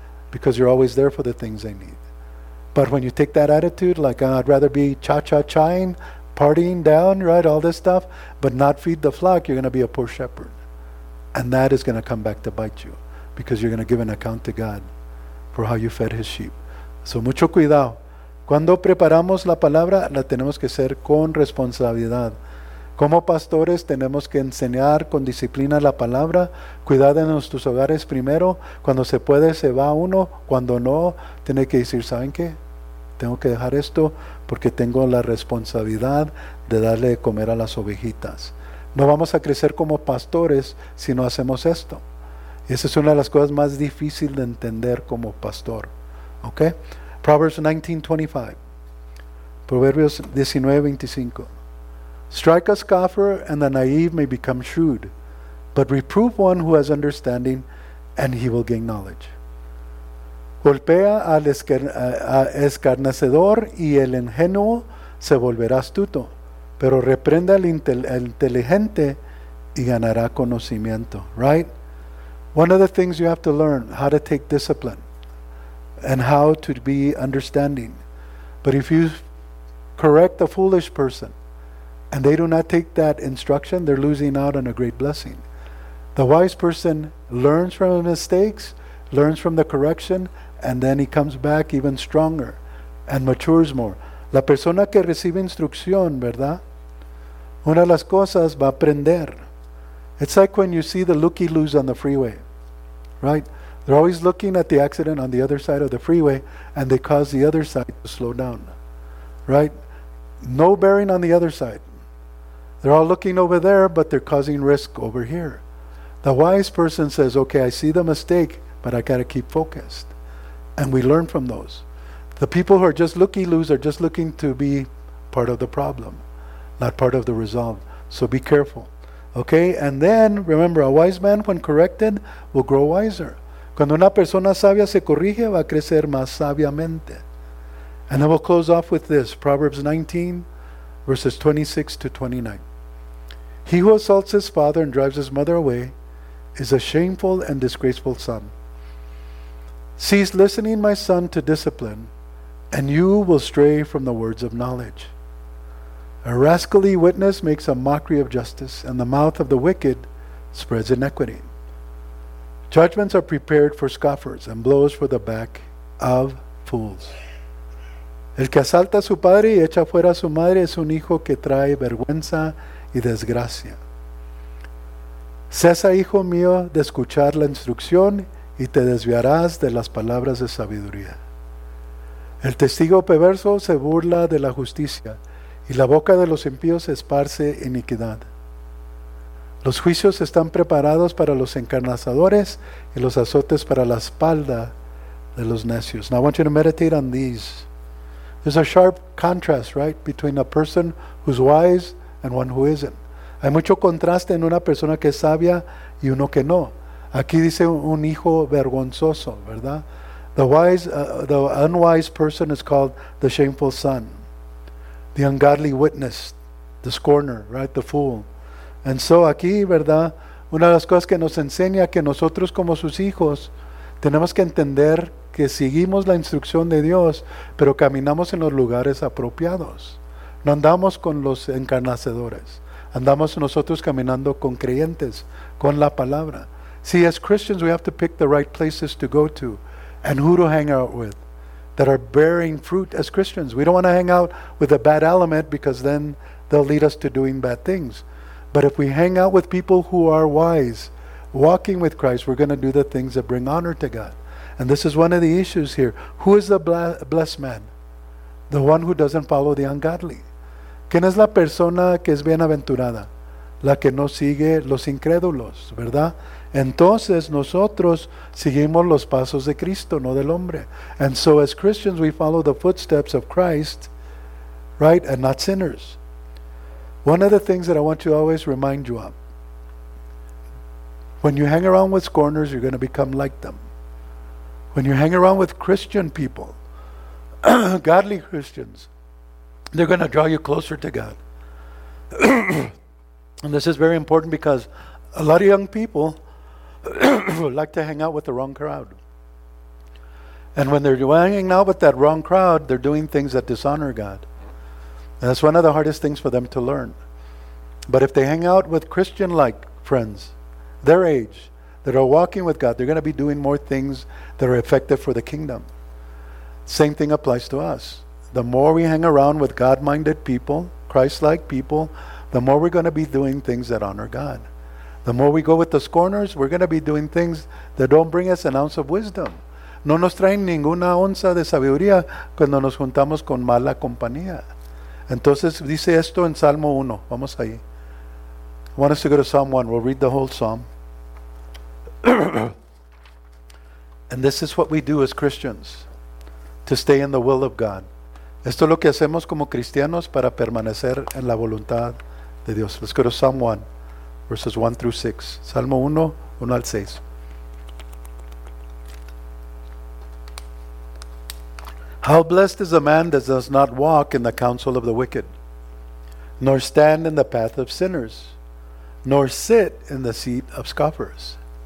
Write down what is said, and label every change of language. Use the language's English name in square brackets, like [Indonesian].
[English] Because you're always there for the things they need. But when you take that attitude, like I'd rather be cha-cha-chaing, partying down, right, all this stuff, but not feed the flock, you're going to be a poor shepherd. And that is going to come back to bite you because you're going to give an account to God for how you fed his sheep. [Spanish] So mucho cuidado. Cuando preparamos la palabra, la tenemos que hacer con responsabilidad. Como pastores, tenemos que enseñar con disciplina la palabra. Cuidar en nuestros hogares primero. Cuando se puede, se va uno. Cuando no, tiene que decir, ¿saben qué? Tengo que dejar esto porque tengo la responsabilidad de darle de comer a las ovejitas. No vamos a crecer como pastores si no hacemos esto. Y esa es una de las cosas más difíciles de entender como pastor. [English] ¿Ok? Proverbs 19:25. [Spanish] Proverbios 19:25. [English] Strike a scoffer and the naive may become shrewd, but reprove one who has understanding and he will gain knowledge. [Spanish] Golpea al escarnecedor y el ingenuo se volverá astuto, pero reprende al inteligente y ganará conocimiento. [English] Right? One of the things you have to learn, how to take discipline and how to be understanding. But if you correct a foolish person, and they do not take that instruction, they're losing out on a great blessing. The wise person learns from his mistakes, learns from the correction, and then he comes back even stronger and matures more. [Spanish] La persona que recibe instrucción, ¿verdad? Una de las cosas va a aprender. [English] It's like when you see the looky-loos on the freeway, right? They're always looking at the accident on the other side of the freeway, and they cause the other side to slow down, right? No bearing on the other side. They're all looking over there, but they're causing risk over here. The wise person says, okay, I see the mistake, but I got to keep focused. And we learn from those. The people who are just looky-loos are just looking to be part of the problem, not part of the resolve. So be careful. Okay, and then remember, a wise man, when corrected, will grow wiser. [Spanish] Cuando una persona sabia se corrige, va a crecer más sabiamente. [English] And then we'll close off with this, Proverbs 19, verses 26 to 29. He who assaults his father and drives his mother away is a shameful and disgraceful son. Cease listening, my son, to discipline, and you will stray from the words of knowledge. A rascally witness makes a mockery of justice, and the mouth of the wicked spreads iniquity. Judgments are prepared for scoffers and blows for the back of fools. [Spanish] El que asalta a su padre y echa fuera a su madre es un hijo que trae vergüenza y desgracia. Cesa, hijo mío, de escuchar la instrucción y te desviarás de las palabras de sabiduría. El testigo perverso se burla de la justicia y la boca de los impíos esparce iniquidad. Los juicios están preparados para los escarnecedores y los azotes para la espalda de los necios. [English] Now I want you to meditate on these. There's a sharp contrast, right, between a person who's wise and one who isn't. [Spanish] Hay mucho contraste en una persona que es sabia y uno que no. Aquí dice un hijo vergonzoso, ¿verdad? [English] The unwise person is called the shameful son. The ungodly witness, the scorner, right, the fool. And so [Spanish] aquí, ¿verdad? Una de las cosas que nos enseña que nosotros como sus hijos tenemos que entender que seguimos la instrucción de Dios, pero caminamos en los lugares apropiados. No andamos con los escarnecedores. Andamos nosotros caminando con creyentes, con la palabra. [English] See, as Christians, we have to pick the right places to go to and who to hang out with that are bearing fruit as Christians. We don't want to hang out with a bad element because then they'll lead us to doing bad things. But if we hang out with people who are wise, walking with Christ, we're going to do the things that bring honor to God. And this is one of the issues here. Who is the blessed man? The one who doesn't follow the ungodly. ¿Quién es la persona que es bienaventurada? La que no sigue los incrédulos, ¿verdad? Entonces nosotros seguimos los pasos de Cristo, no del hombre. And so as Christians, we follow the footsteps of Christ, right? And not sinners. One of the things that I want to always remind you of, when you hang around with scorners, you're going to become like them. When you hang around with Christian people, godly Christians, they're going to draw you closer to God. And this is very important because a lot of young people like to hang out with the wrong crowd. And when they're hanging out with that wrong crowd, they're doing things that dishonor God. And that's one of the hardest things for them to learn. But if they hang out with Christian-like friends, their age, that are walking with God, they're going to be doing more things that are effective for the kingdom. Same thing applies to us. The more we hang around with God-minded people, Christ-like people, the more we're going to be doing things that honor God. The more we go with the scorners, we're going to be doing things that don't bring us an ounce of wisdom. [Spanish] No nos traen ninguna onza de sabiduría cuando nos juntamos con mala compañía. Entonces dice esto en Salmo 1. Vamos ahí. [English] I want us to go to Psalm 1. We'll read the whole psalm. And this is what we do as Christians to stay in the will of God. [Spanish] Esto es lo que hacemos como cristianos para permanecer en la voluntad de Dios. [English] Let's go to Psalm 1, verses 1 through 6. [Spanish] Salmo 1, 1 al 6. [English] How blessed is a man that does not walk in the counsel of the wicked, nor stand in the path of sinners, nor sit in the seat of scoffers.